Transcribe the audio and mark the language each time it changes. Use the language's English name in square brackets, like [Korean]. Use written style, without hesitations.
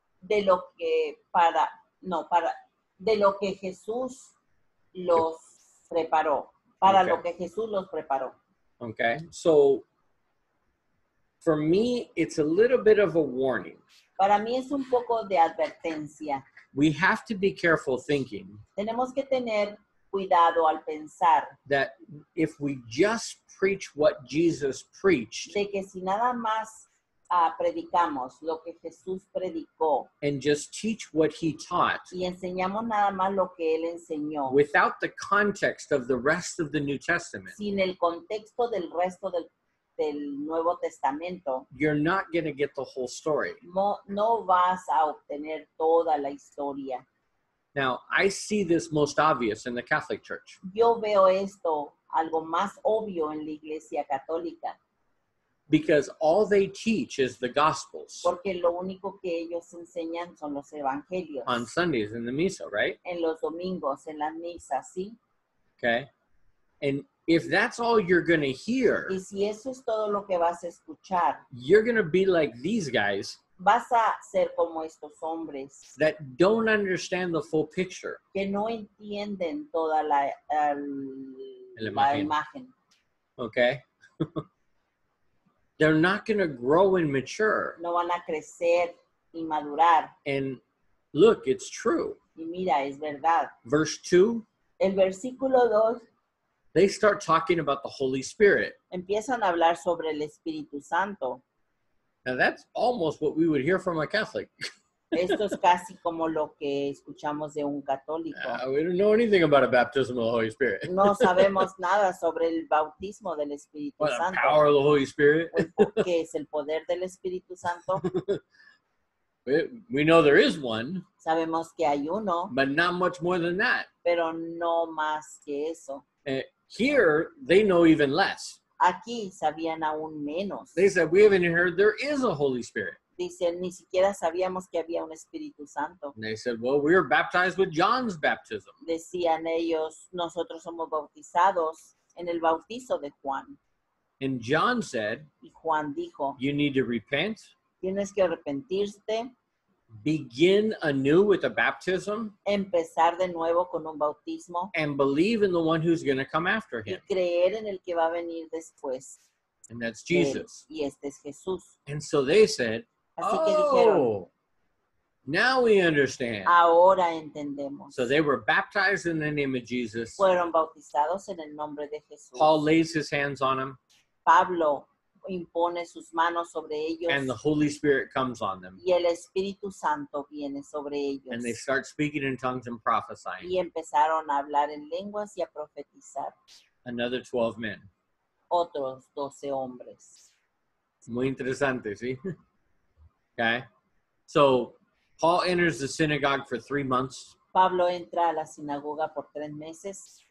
[Spanish] De lo que para, no, para, de lo que Jesús los preparó. Para lo que Jesús los preparó. [English] Okay. So, for me, it's a little bit of a warning. [Spanish] Para mí es un poco de advertencia. [English] We have to be careful thinking. [Spanish] Tenemos que tener cuidado al pensar. [English] That if we just preach what Jesus preached. [Spanish] De que si nada más predicamos lo que Jesús predicó. [English] And just teach what he taught. [Spanish] Y enseñamos nada más lo que él enseñó. [English] Without the context of the rest of the New Testament. [Spanish] Sin el contexto del resto del Nuevo Testamento. [English] You're not going to get the whole story. [Spanish] No vas a obtener toda la historia. [English] Now, I see this most obvious in the Catholic Church. [Spanish] Yo veo esto algo más obvio en la Iglesia Católica. [English] Because all they teach is the Gospels. [Spanish] Porque lo único que ellos enseñan son los Evangelios. [English] On Sundays in the Misa, right? [Spanish] En los domingos, en las misas, ¿sí? [English] Okay. And if that's all you're going to hear, [Spanish] y si eso es todo lo que vas a escuchar, [English] you're going to be like these guys. [Spanish] Vas a ser como estos hombres. [English] That don't understand the full picture. [Spanish] Que no entienden toda la imagen. [English] Okay. They're not going to grow and mature. [Spanish] No van a crecer y madurar. [English] And look, it's true. [Spanish] Y mira, es verdad. [English] Verse 2. [Spanish] El versículo 2. [English] They start talking about the Holy Spirit. [Spanish] Empiezan a hablar sobre el Espíritu Santo. [English] Now that's almost what we would hear from a Catholic. [Spanish] Esto es casi como lo que escuchamos de un católico. [English] We don't know anything about a baptism of the Holy Spirit. [Spanish] No sabemos nada sobre el bautismo del Espíritu Santo. [English] The power of the Holy Spirit. [Spanish] ¿Qué es el poder del Espíritu Santo? [English] We know there is one. [Spanish] Sabemos que hay uno. [English] But not much more than that. [Spanish] Pero no más que eso. [English] Here, they know even less. [Spanish] Aquí sabían aún menos. [English] They said, we haven't heard there is a Holy Spirit. [Spanish] Dicen, ni siquiera sabíamos que había un Espíritu Santo. [English] And they said, well, we were baptized with John's baptism. [Spanish] Decían ellos, nosotros somos bautizados en el bautizo de Juan. [English] And John said, [Spanish] y Juan dijo, [English] you need to repent. [Spanish] Tienes que arrepentirte. [English] Begin anew with a baptism. [Spanish] Empezar de nuevo con un bautismo. [English] And believe in the one who's going to come after him. [Spanish] Y creer en el que va a venir después. [English] And that's Jesus. [Spanish] Y este es Jesús. [English] And so they said, [Spanish] así que dijeron, [English] now we understand. [Spanish] Ahora entendemos. [English] So they were baptized in the name of Jesus. [Spanish] Fueron bautizados en el nombre de Jesús. [English] Paul lays his hands on them. [Spanish] Pablo impone sus manos sobre ellos. [English] And the Holy Spirit comes on them. [Spanish] Y el Espíritu Santo viene sobre ellos. [English] And they start speaking in tongues and prophesying. [Spanish] Y empezaron a hablar en lenguas y a profetizar. [English] Another 12 men. [Spanish] Otros 12 hombres. Muy interesante, ¿sí? [English] Okay. So, Paul enters the synagogue for 3 months. [Spanish] Pablo entra a la sinagoga por 3 meses.